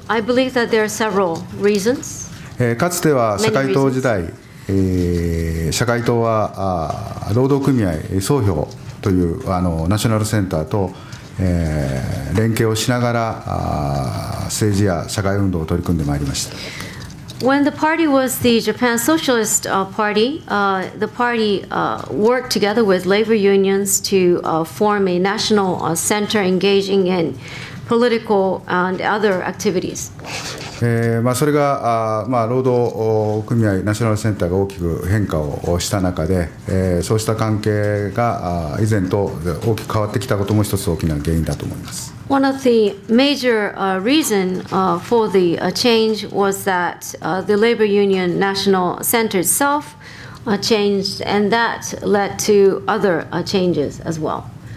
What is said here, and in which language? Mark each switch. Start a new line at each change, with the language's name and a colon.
English: I believe that there are several reasons.
Japanese: かつては社会党時代、社会党は労働組合、総評というナショナルセンターと、連携をしながら政治や社会運動を取り組んでまいりました。
English: When the party was the Japan Socialist Party, the party worked together with labor unions to form a national center engaging in political and other activities.
Japanese: それが労働組合、ナショナルセンターが大きく変化をした中で、そうした関係が以前と大きく変わってきたことも一つ大きな原因だと思います。
English: One of the major reason for the change was that the labor union national center itself changed, and that led to other changes as well.